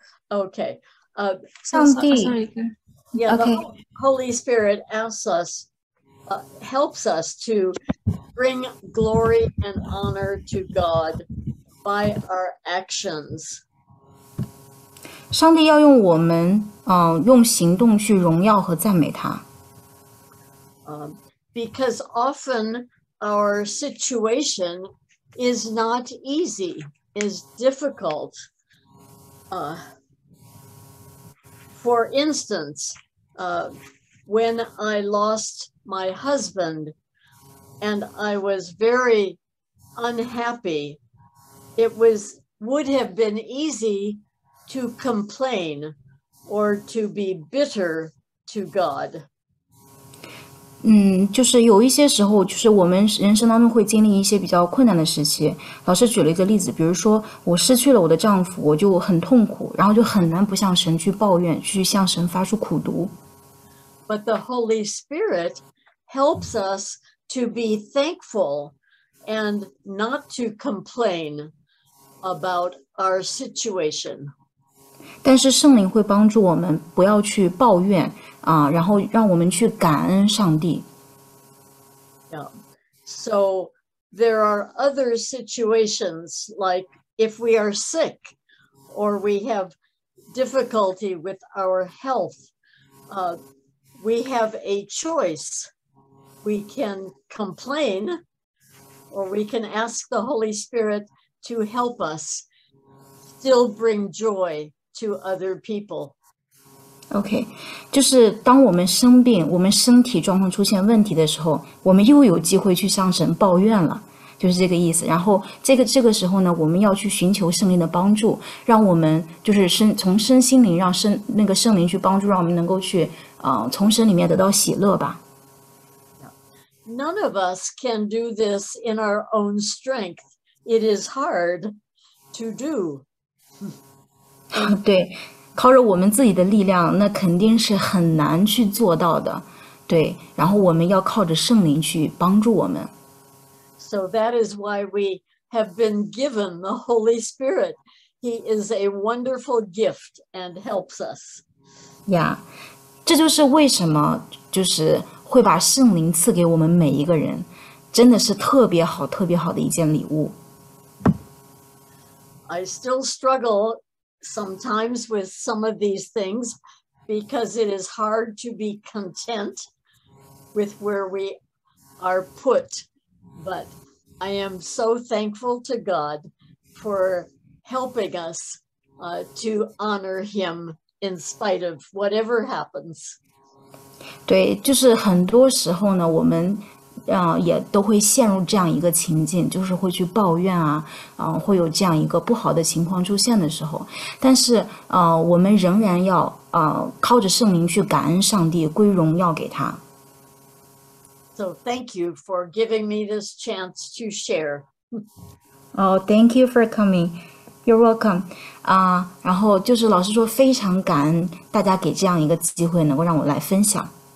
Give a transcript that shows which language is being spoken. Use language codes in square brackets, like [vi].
[en] Okay. The Holy Spirit asks us, helps us to bring glory and honor to God by our actions. [zh] 上帝要用我们，用行动去荣耀和赞美他。 [en] Because often our situation is not easy, is difficult. For instance, when I lost my husband and I was very unhappy, would have been easy to complain or to be bitter to God. [zh] 就是有一些时候，就是我们人生当中会经历一些比较困难的时期。老师举了一个例子，比如说我失去了我的丈夫，我就很痛苦，然后就很难不向神去抱怨，去向神发出苦读。 [en] But the Holy Spirit helps us to be thankful and not to complain about our situation. [zh] 但是圣灵会帮助我们不要去抱怨。然后让我们去感恩上帝。 [en] Yeah. So there are other situations, like if we are sick or we have difficulty with our health, we have a choice. We can complain or we can ask the Holy Spirit to help us still bring joy to other people. [zh] OK, 就是当我们生病，我们身体状况出现问题的时候，我们又有机会去向神抱怨了，就是这个意思。然后这个时候呢，我们要去寻求圣灵的帮助，让我们就是从身心灵让那个圣灵去帮助，让我们能够去从神里面得到喜乐吧。 [en] None of us can do this in our own strength. It is hard to do. [zh] 对。靠着我们自己的力量，那肯定是很难去做到的，对。然后我们要靠着圣灵去帮助我们。 [en] So that is why we have been given the Holy Spirit. He is a wonderful gift and helps us. [zh] Yeah, 这就是为什么就是会把圣灵赐给我们每一个人，真的是特别好、特别好的一件礼物。 [en] I still struggle. Sometimes with some of these things, because it is hard to be content with where we are put. But I am so thankful to God for helping us to honor Him in spite of whatever happens. [zh] 对，就是很多时候呢，我们也都会陷入这样一个情境，就是会去抱怨会有这样一个不好的情况出现的时候，但是我们仍然要靠着圣灵去感恩上帝，归荣耀给他。 [en] So thank you for giving me this chance to share. Oh, thank you for coming. You're welcome. [zh] 然后就是老师说非常感恩大家给这样一个机会能够让我来分享。